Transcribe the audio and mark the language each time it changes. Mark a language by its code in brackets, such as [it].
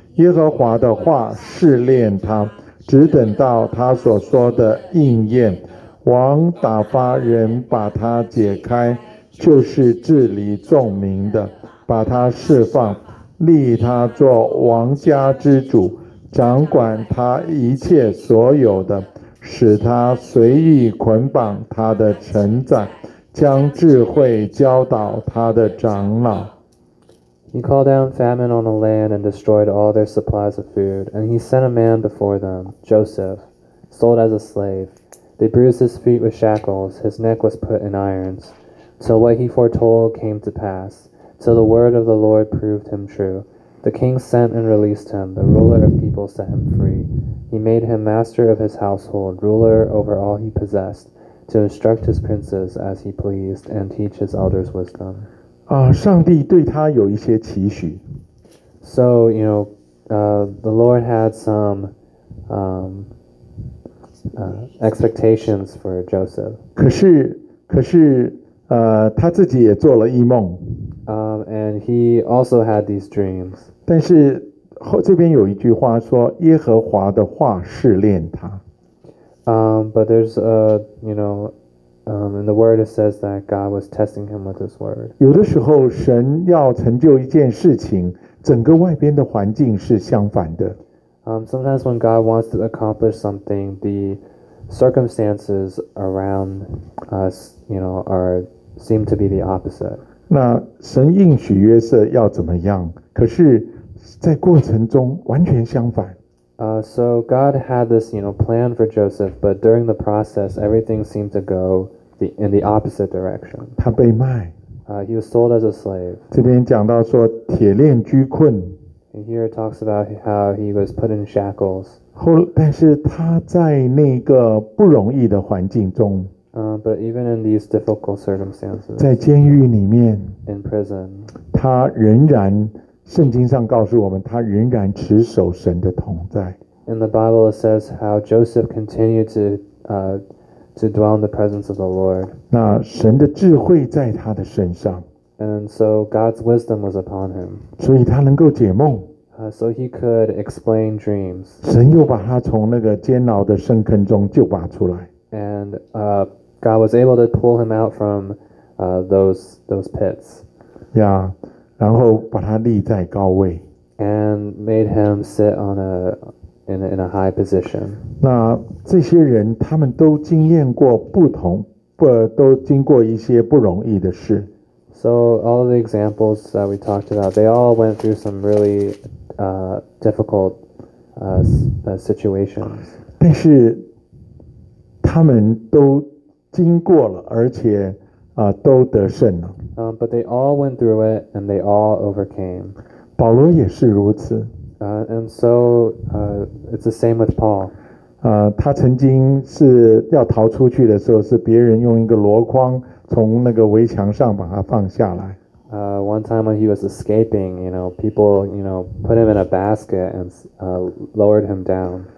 [zh] 耶和华的话试炼他，只等到他所说的应验，王打发人把他解开，就是治理众民的，把他释放，立他做王家之主，掌管他一切所有的，使他随意捆绑他的臣宰，将智慧教导他的长老。 [en] He called down famine on the land and destroyed all their supplies of food. And he sent a man before them, Joseph, sold as a slave. They bruised his feet with shackles, his neck was put in irons. So what he foretold came to pass. So the word of the Lord proved him true. The king sent and released him. The ruler of people set him free. He made him master of his household, ruler over all he possessed, to instruct his princes as he pleased and teach his elders wisdom. [zh] 上帝对他有一些期许。 [en] So, you know, the Lord had some expectations for Joseph. [zh] 可是他自己也做了异梦。 [en] And he also had these dreams. [zh] 但是这边有一句话说耶和华的话试炼他。 [en] But there's a, you know, in the word it says that God was testing him with his word. [zh] 有的时候神要成就一件事情整个外边的环境是相反的。 [en] Sometimes when God wants to accomplish something, the circumstances around us, you know, seem to be the opposite. [zh] 那神应许约瑟要怎么样？可是在过程中完全相反。 [en] So God had this, you know, plan for Joseph, but during the process, everything seemed to go in the opposite direction. [zh] 他被卖。 [en] He was sold as a slave. [zh] 这边讲到说铁链拘困。 [en] And here it talks about how he was put in shackles. [zh] 但是他在那个不容易的环境中。 [en] But even in these difficult circumstances. [zh] 在监狱里面。 [en] In prison. [zh] 他仍然圣经上告诉我们他仍然持守神的同在。 [en] In the Bible it says how Joseph continued to dwell in the presence of the Lord. [zh] 那神的智慧在他的身上。 [en] And so God's wisdom was upon him. [zh] 所以他能够解梦。 [en] So he could explain dreams. [zh] 神又把他从那个监牢的深坑中救拔出来。 [en] And God was able to pull him out from those pits. [zh] Yeah, 然后把他立在高位。 [en] And made him sit on in a high position. [zh] 那这些人他们都经验过不同，不都经过一些不容易的事。 [en] So all of the examples that we talked about, they all went through some really difficult situations. [zh] 但是他们都经过了，而且都得胜了。 [en] But they all went through it and they all overcame. [zh] 保罗也是如此。 [en] And so it's the same with Paul. [zh] 他曾经是要逃出去的时候，是别人用一个箩筐。从那个围墙上把他放下来。 [en] One time when he was escaping, you know, people, you know, put him in a basket and lowered him down.